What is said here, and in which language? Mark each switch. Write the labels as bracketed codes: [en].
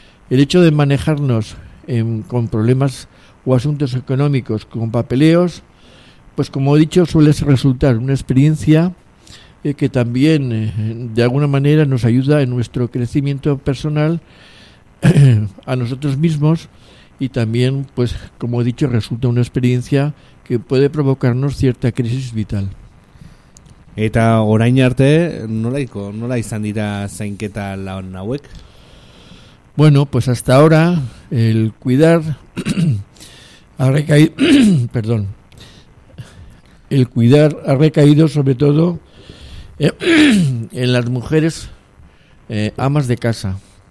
[es] el hecho de manejarnos con problemas o asuntos económicos, con papeleos, pues como he dicho, suele resultar una experiencia que también, de alguna manera, nos ayuda en nuestro crecimiento personal a nosotros mismos. Y también, pues como he dicho, resulta una experiencia que puede provocarnos cierta crisis vital. [eu] Eta orain arte, nola izan dira zainketa lan hauek? [es] Bueno, pues hasta ahora el cuidar ha recaído, perdón, el cuidar ha recaído sobre todo en las mujeres amas de casa.